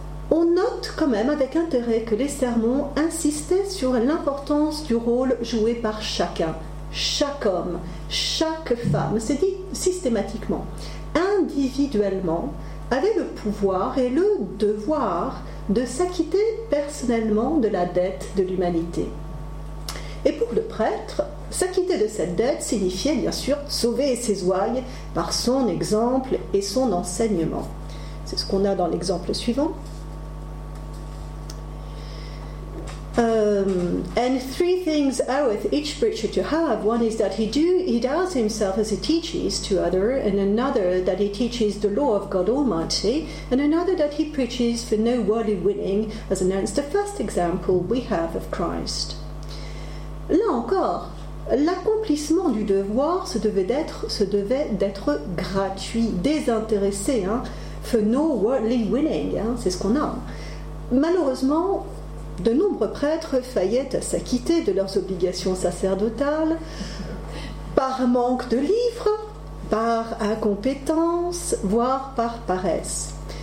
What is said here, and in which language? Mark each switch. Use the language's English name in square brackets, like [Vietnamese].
[French] on note quand même avec intérêt que les sermons insistaient sur l'importance du rôle joué par chacun, chaque homme, chaque femme, c'est dit systématiquement, individuellement, avait le pouvoir et le devoir de s'acquitter personnellement de la dette de l'humanité. Et pour le prêtre, s'acquitter de cette dette signifiait bien sûr sauver ses ouailles par son exemple et son enseignement. C'est ce qu'on a dans l'exemple suivant. [English] And three things oweth each preacher to have. One is that he does himself as he teaches to other, and another that he teaches the law of God Almighty, and another that he preaches for no worldly winning, as announced the first example we have of Christ. [French] Là encore, l'accomplissement du devoir se devait d'être gratuit, désintéressé, hein, [English] for no worldly winning, [French] hein, c'est ce qu'on a. Malheureusement, de nombreux prêtres faillaient à s'acquitter de leurs obligations sacerdotales par manque de livres, par incompétence, voire par paresse.